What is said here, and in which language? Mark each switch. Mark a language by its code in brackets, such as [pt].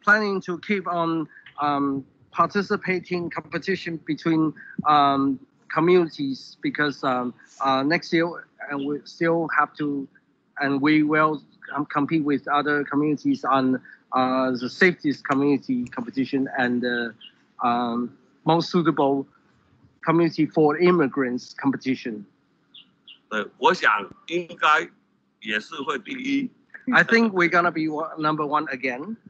[en] planning to keep on participating competition between communities because next year and we still have to. And we will compete with other communities on the safest community competition and the most suitable community for immigrants competition. [zh] 对，我想应该也是会第一。 [en] I think we're gonna be number one again.